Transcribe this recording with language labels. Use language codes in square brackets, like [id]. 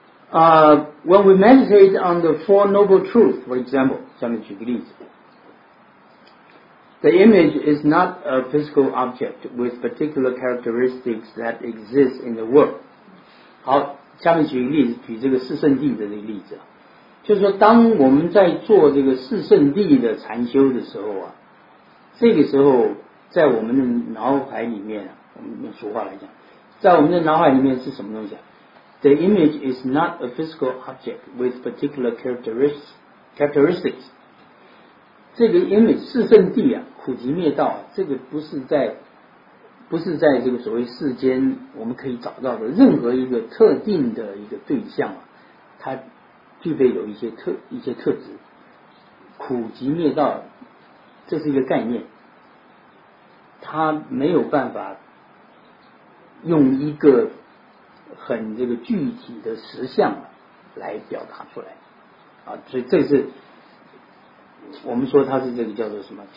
[en] When we meditate on the Four Noble Truths, for example, [zh] 下面举个例子， [en] the image is not a physical object with particular characteristics that exist in the world. [zh] 好，下面举个例子，举这个四圣地的这个例子，就是说当我们在做这个四圣地的禅修的时候啊，这个时候在我们的脑海里面，我们用俗话来讲，在我们的脑海里面是什么东西啊？ [en] The image is not a physical object with particular characteristics. [zh] 这个 image 四圣地啊，苦集灭道，这个不是在这个所谓世间我们可以找到的任何一个特定的一个对象啊，它具备有一些特质。苦集灭道，这是一个概念，它没有办法用一个很这个具体的实相来表达出来啊，所以这是我们说它是这个叫做什么？